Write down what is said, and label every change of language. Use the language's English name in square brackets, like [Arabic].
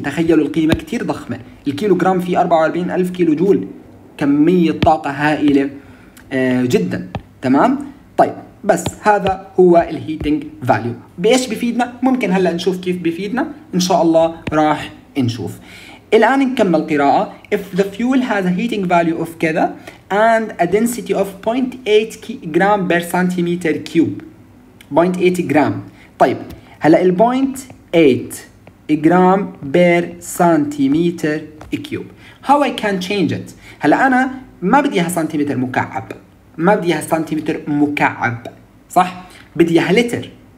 [Arabic] تخيلوا القيمه كثير ضخمه، الكيلوغرام في 44000 كيلو جول، كميه طاقه هائله جدا. تمام؟ طيب بس هذا هو الهيتنج فاليو. بايش بفيدنا؟ ممكن هلا نشوف كيف بفيدنا، ان شاء الله راح نشوف. الان نكمل قراءه. [English] if the fuel has a heating value of كذا and a density of 0.8 gram per centimeter cube. 0.8 gram. [Arabic] طيب هلا ال [English] 0.8 gram per centimetre cube, how I can change it. [Arabic] هلا انا ما بدي اياها سنتيمتر مكعب، ما بدي اياها سنتيمتر مكعب، صح؟ بدي اياها لتر.